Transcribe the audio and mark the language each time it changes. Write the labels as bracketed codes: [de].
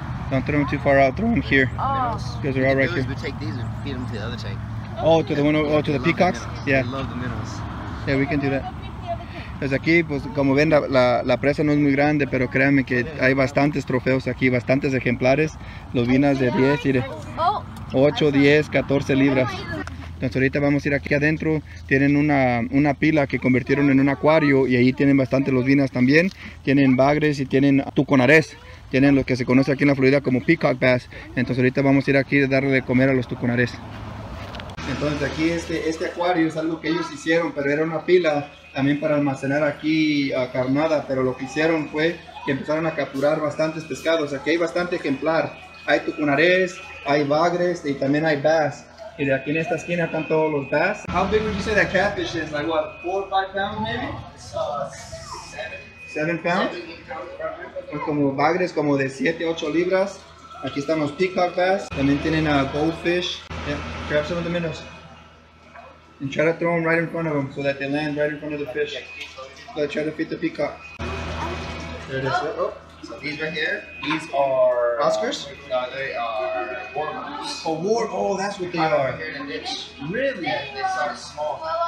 [en] Don't throw them too far out. Throw them here. Oh. Because they're all right here. We take these and feed them to the other tank. Oh, to the one. Oh, to the peacocks. Yeah. They love the minnows. Yeah, we can do that. [es] Pues aquí, pues como ven, la presa no es muy grande, pero créanme que hay bastantes trofeos aquí, bastantes ejemplares, lobinas de 10, 8, 10, 14 libras. Entonces ahorita vamos a ir aquí adentro, tienen una pila que convirtieron en un acuario y ahí tienen bastante lobinas también, tienen bagres y tienen tuconarés, tienen lo que se conoce aquí en la Florida como peacock bass. Entonces ahorita vamos a ir aquí a darle de comer a los tuconarés. Entonces aquí este acuario es algo que ellos hicieron, pero era una pila también para almacenar aquí a carnada, pero lo que hicieron fue que empezaron a capturar bastantes pescados. Aquí hay bastante ejemplar, hay tuconarés, hay bagres y también hay bass. Y de aquí en esta esquina están todos los bass. [en] How big would you say that catfish is? Like what, 4 or 5 pounds maybe? It's 7 pounds. 7 pounds? [es] Como bagres, como de 7-8 libras. Aquí están los peacock bass. También tienen a goldfish. [en] Yeah, grab some of the minnows. and try to throw them right in front of them so that they land right in front of the fish. Let's try to feed the peacock. There it is. Oh. So these right here, these are... Oscars? No, they are warm. Oh, that's what they are. Here in the ditch. Really? They are small.